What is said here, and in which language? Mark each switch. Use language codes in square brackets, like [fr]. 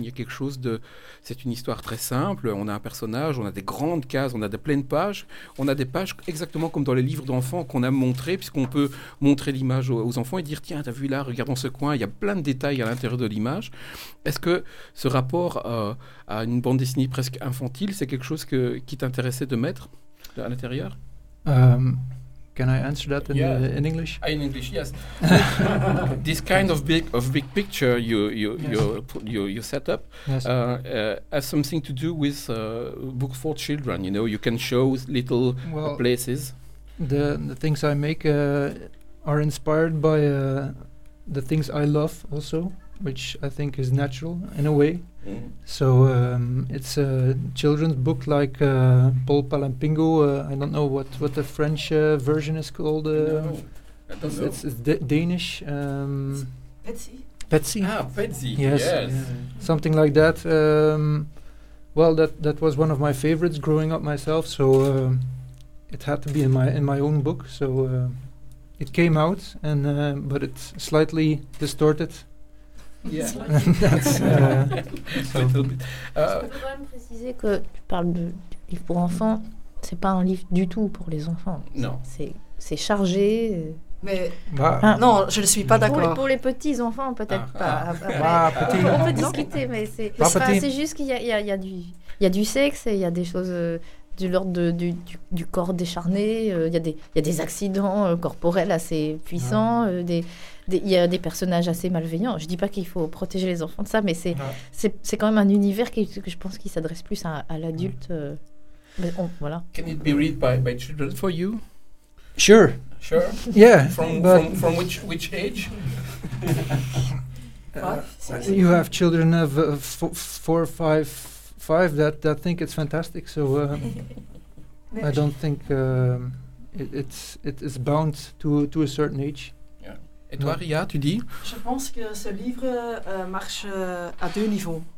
[fr] Il y a quelque chose de, c'est une histoire très simple. On a un personnage, on a des grandes cases, on a des pleines pages, on a des pages exactement comme dans les livres d'enfants qu'on a montré, puisqu'on peut montrer l'image aux enfants et dire tiens, t'as vu là, regarde dans ce coin, il y a plein de détails à l'intérieur de l'image. Est-ce que ce rapport à une bande dessinée presque infantile, c'est quelque chose qui t'intéressait de mettre à l'intérieur? [en] Can I answer that in English? In English, yes. This kind of big picture you set up, yes. Has something to do with book for children. You know, you can show little places. The things I make are inspired by the things I love also, which I think is natural in a way. So it's a children's book like Paul Palampingo. I don't know what the French version is called. No. It's Danish. Petsy. Petsy. Yes. Something like that. That was one of my favorites growing up myself. So it had to be in my own book. So it came out, but it's slightly distorted. Yeah. [fr] Je peux quand même préciser que tu parles de livre pour enfants, c'est pas un livre du tout pour les enfants. Non. C'est chargé. Non, je ne suis pas d'accord. Pour les petits enfants, peut-être pas. Petit. On peut discuter, mais c'est juste qu'il y a du sexe et il y a des choses de l'ordre du corps décharné. Il y a des accidents corporels assez puissants. Ah. Des il y a des personnages assez malveillants. Je ne dis pas qu'il faut protéger les enfants de ça, mais c'est quand même un univers que je pense qu'il s'adresse plus à l'adulte. Voilà. [en] Can it be read by children for you? Sure. Sure? Yeah. From which age? You have children of four, five that think it's fantastic, so I don't think it's bound to a certain age. [fr] Et toi, Ria, tu dis? Je pense que ce livre marche à deux niveaux.